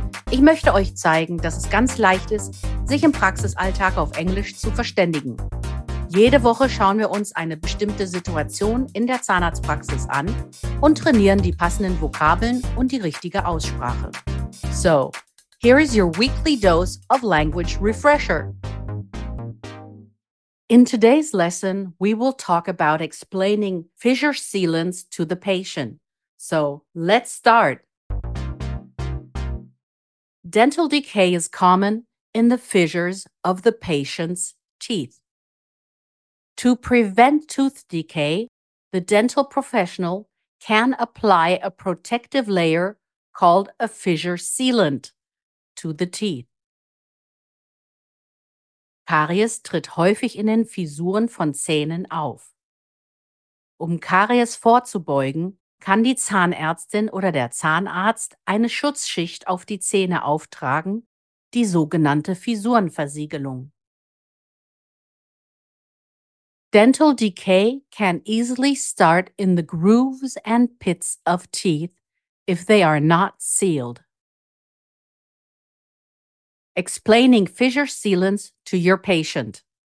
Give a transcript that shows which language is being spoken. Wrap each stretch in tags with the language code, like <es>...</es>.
<de>Ich möchte euch zeigen, dass es ganz leicht ist, sich im Praxisalltag auf Englisch zu verständigen. Jede Woche schauen wir uns eine bestimmte Situation in der Zahnarztpraxis an und trainieren die passenden Vokabeln und die richtige Aussprache.</de> <en>So, here is your weekly dose of language refresher. In today's lesson, we will talk about explaining fissure sealants to the patient. So, let's start. Dental decay is common in the fissures of the patient's teeth. To prevent tooth decay, the dental professional can apply a protective layer called a fissure sealant to the teeth.</en> <de>Karies tritt häufig in den Fissuren von Zähnen auf. Um Karies vorzubeugen, kann die Zahnärztin oder der Zahnarzt eine Schutzschicht auf die Zähne auftragen, die sogenannte Fissurenversiegelung.</de> <en>Dental decay can easily start in the grooves and pits of teeth if they are not sealed. Explaining fissure sealants to your patient.</en>